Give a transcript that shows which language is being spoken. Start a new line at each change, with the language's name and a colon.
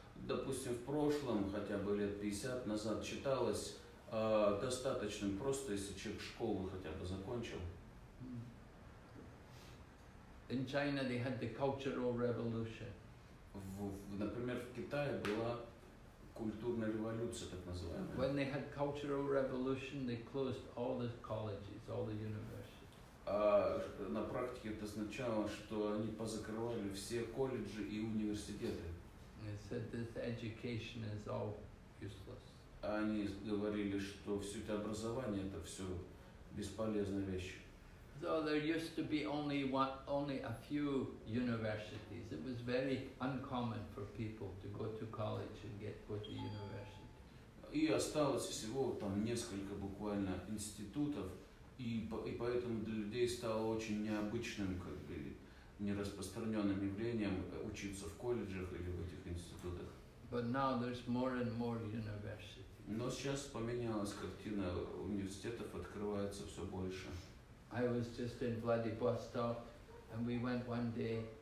Russian: Допустим, в прошлом, хотя бы лет 50 назад, считалось достаточным просто, если человек школу хотя бы закончил.
English: In China they had the cultural revolution.
Russian: Например, в Китае была культурная революция, так называемая.
English: When they had cultural revolution, they closed all the colleges, all the universities.
Russian: На практике это означало, что они позакрывали все колледжи и университеты.
English: They said this education is all useless.
Russian: Они говорили, что все это образование, это все бесполезная вещь.
English: So there used to be only a few universities. It was very uncommon for people to go to college and go to university.
Russian: И осталось всего там несколько буквально институтов, и поэтому для людей стало очень необычным, как бы нераспространенным явлением учиться в колледжах или в этих институтах.
English: But now there's more and more universities.
Russian: Но сейчас поменялась картина, университетов открывается все больше.
English: I was just in Vladivostok, and we went one day.